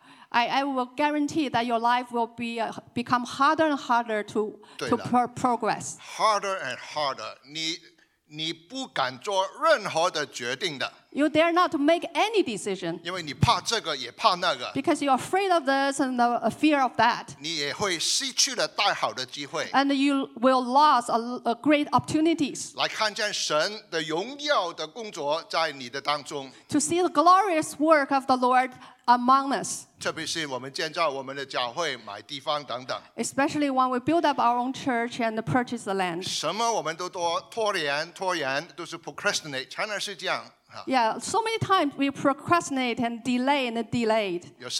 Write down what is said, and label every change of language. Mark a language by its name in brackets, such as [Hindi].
[English] I will guarantee that your life will be become harder and harder to progress. Harder and harder. [Chinese] 你不敢做任何的决定的。 [English] You dare not to make any decision. [Chinese] 因为你怕这个也怕那个。 [English] Because you are afraid of this and the fear of that. [Chinese] 你也会失去了大好的机会。 [English] And you will lose a great opportunities. [Chinese] 来看见神的荣耀的工作在你的当中。 [English] To see the glorious work of the Lord among us. [Chinese] 特别是我们建造我们的教会，买地方等等。 [English] Especially when we build up our own church and purchase the land. [Chinese] 什么我们都拖延，都是 procrastinate，常常是这样。 [English] Yeah, so many times we procrastinate and delay and delayed.